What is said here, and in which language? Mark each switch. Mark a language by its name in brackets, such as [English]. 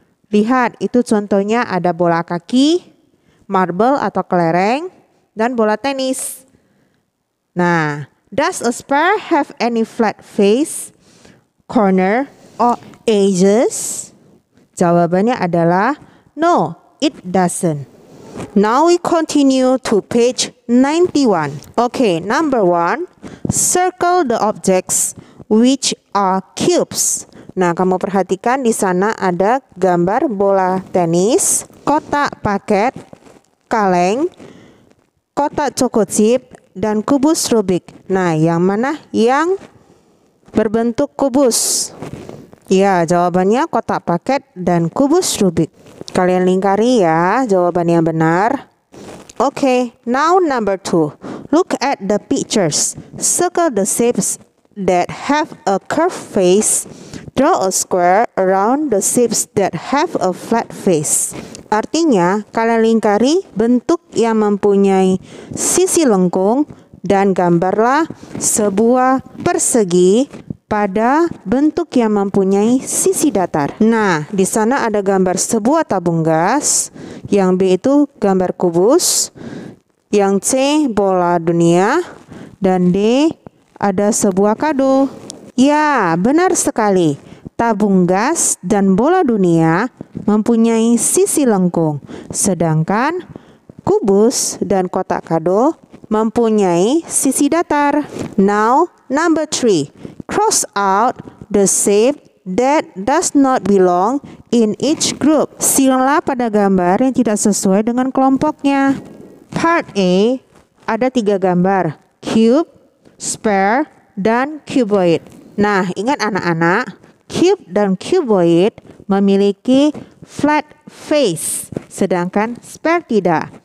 [Indonesian] Lihat, itu contohnya ada bola kaki, marble atau kelereng, dan bola tenis. [English] Nah, does a sphere have any flat face, corner, or edges? [Indonesian] Jawabannya adalah [English] no, it doesn't. Now we continue to page 91. Okay, number one, circle the objects which are cubes. [Indonesian] Nah, kamu perhatikan di sana ada gambar bola tenis, kotak paket, kaleng, kotak choco chip, dan kubus Rubik. Nah, yang mana yang berbentuk kubus? Ya, jawabannya kotak paket dan kubus Rubik. Kalian lingkari ya jawaban yang benar. [English] Oke, now number 2. Look at the pictures. Circle the shapes that have a curved face. Draw a square around the shapes that have a flat face. [Indonesian] Artinya, kalian lingkari bentuk yang mempunyai sisi lengkung dan gambarlah sebuah persegi pada bentuk yang mempunyai sisi datar. Nah, di sana ada gambar sebuah tabung gas, yang B itu gambar kubus, yang C bola dunia, dan D ada sebuah kado. Ya, benar sekali. Tabung gas dan bola dunia mempunyai sisi lengkung, sedangkan kubus dan kotak kado mempunyai sisi datar. [English] Now, number 3. Cross out the shape that does not belong in each group. [Indonesian] Silanglah pada gambar yang tidak sesuai dengan kelompoknya. Part A, ada 3 gambar. cube, sphere, dan cuboid. Nah, ingat anak-anak, cube dan cuboid memiliki flat face, sedangkan sphere tidak.